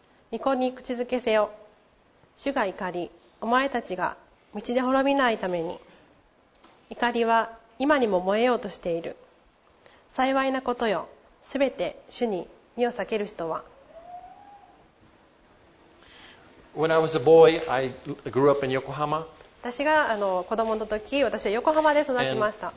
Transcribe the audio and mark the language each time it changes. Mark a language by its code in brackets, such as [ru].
[ja] 御子に口づけせよ。主が怒り、お前たちが道で滅びないために。怒りは今にも燃えようとしている。幸いなことよ、すべて主に身を避ける人は。 [en] When I was a boy, I grew up in Yokohama. [ja] 私が子供の時、私は横浜で育ちました。